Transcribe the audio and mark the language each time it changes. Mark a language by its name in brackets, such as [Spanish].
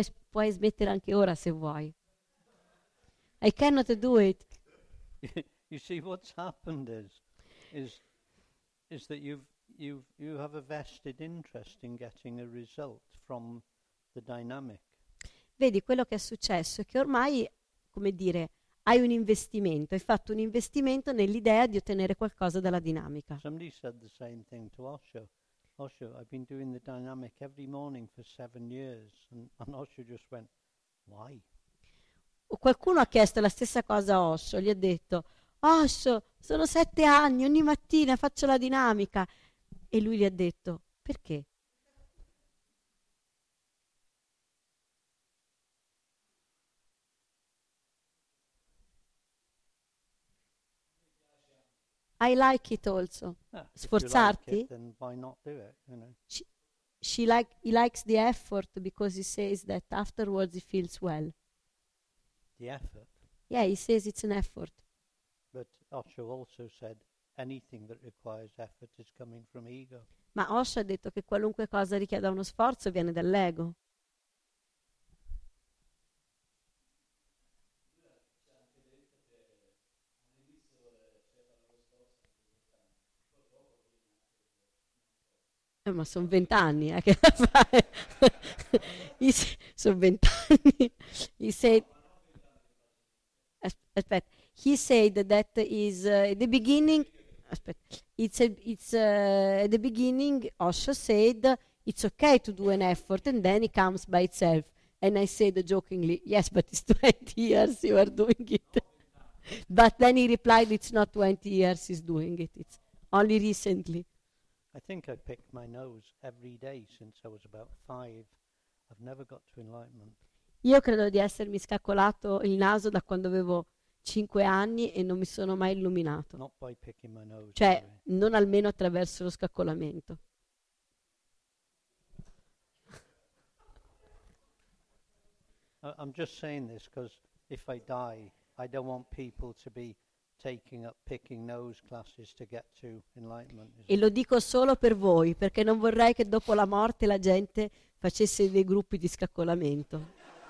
[Italian] Puoi smettere anche ora se vuoi. [English] I cannot do it. You see, what's happened is that you have a vested interest in getting a result from the dynamic. [Italian] Vedi, quello che è successo è che ormai, come dire, hai un investimento, hai fatto un investimento nell'idea di ottenere qualcosa dalla dinamica. [English] Somebody said the same thing to Osho. Osho, I've been doing the dynamic every morning for 7 years, and Osho just went, why? [Italian] Qualcuno ha chiesto la stessa cosa a Osho, gli ha detto, Osho, sono 7 anni, ogni mattina faccio la dinamica. E lui gli ha detto, perché? [English] I like it also. [Italian] Sforzarti? [English] Like it, why not do it, you know? He likes the effort because he says that afterwards he feels well. The effort? Yeah, he says it's an effort. But Osho also said, anything that requires effort is coming from ego. [Italian] Ma Osho ha detto che qualunque cosa richieda uno sforzo viene dall'ego. Ma sono 20 anni, che fai? Sono 20 anni. Aspetta. [English] He said that is the beginning. At the beginning, Osho said it's okay to do an effort and then it comes by itself. And I said jokingly, yes, but it's 20 years you are doing it. But then he replied, it's not 20 years he's doing it. It's only recently. I think I pick my nose every day since I was about 5. I've never got to enlightenment. [Italian] Io credo di essermi scaccolato il naso da quando avevo 5 anni e non mi sono mai illuminato. [English] Not by picking my nose, [Italian] cioè, sorry. Non almeno attraverso lo scaccolamento. [English] I'm just saying this because if I die, I don't want people to be taking up picking nose classes to get to enlightenment. [Italian] E lo dico solo per voi, perché non vorrei che dopo la morte la gente facesse dei gruppi di scaccolamento.